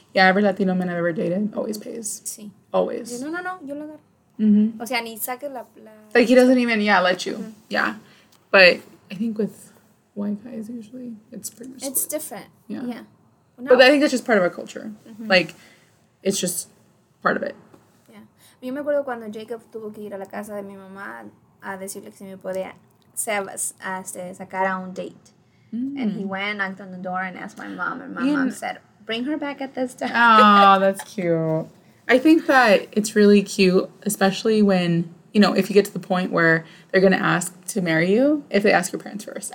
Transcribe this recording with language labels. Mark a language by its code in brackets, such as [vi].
[en] Yeah, every Latino man I've ever dated always pays. [es] Sí. [en] Always. [es] No, yo lo agarro. Mm-hmm. O sea, ni saque la... [en] Like, he doesn't even, let you. Mm-hmm. Yeah. But I think with white guys, usually, it's pretty much It's split. Different. Yeah. Well, no. But I think that's just part of our culture. Mm-hmm. Like, it's just part of it. Yeah. [es] Yo me acuerdo cuando Jacob tuvo que ir a la casa de mi mamá a decirle que si me podía... [en] Sebas asked to sacar a un date. Mm. And he went, knocked on the door, and asked my mom. And my mom said, bring her back at this time. Oh, that's cute. I think that it's really cute, especially when, you know, if you get to the point where they're going to ask to marry you, if they ask your parents first.